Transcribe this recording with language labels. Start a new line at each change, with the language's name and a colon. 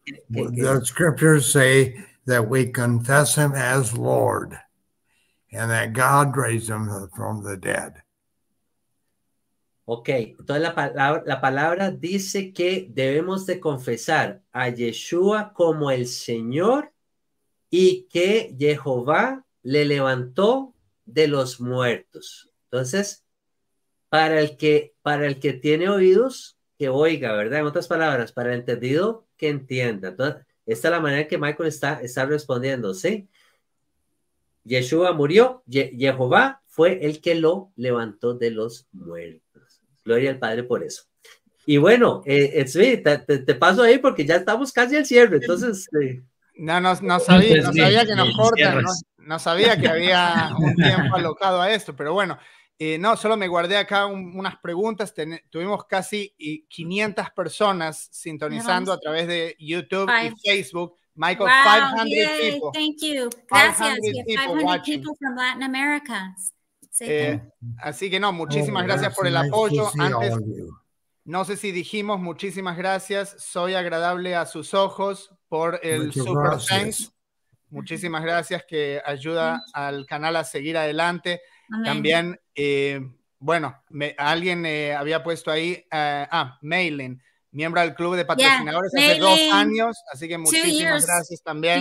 English: The scriptures say that we confess him as Lord and that God raised him from the dead.
Spanish: Ok, entonces la palabra dice que debemos de confesar a Yeshua como el Señor y que Jehová le levantó de los muertos. Entonces, para el que tiene oídos, que oiga, ¿verdad? En otras palabras, para el entendido, que entienda. Entonces, esta es la manera que Michael está respondiendo, ¿sí? Yeshua murió, Jehová fue el que lo levantó de los muertos. Gloria al Padre por eso. Y bueno, Etzvi, te paso ahí porque ya estamos casi al cierre, entonces... No sabía que nos cortan, ¿no? No sabía que había un tiempo alocado a esto, pero bueno, no, solo me guardé acá unas preguntas. Tuvimos casi 500 personas sintonizando a través de YouTube y Facebook.
English: Michael, wow, 500 yay, people. Thank you. Gracias. 500 people from Latin America.
Spanish: Así que no, muchísimas gracias por el apoyo. Antes, no sé si dijimos muchísimas gracias. Soy agradable a sus ojos por el super thanks. Muchísimas gracias, que ayuda al canal a seguir adelante. Amén. También, bueno, alguien había puesto ahí, Maylin, miembro del club de patrocinadores hace 2 años, así que muchísimas gracias también.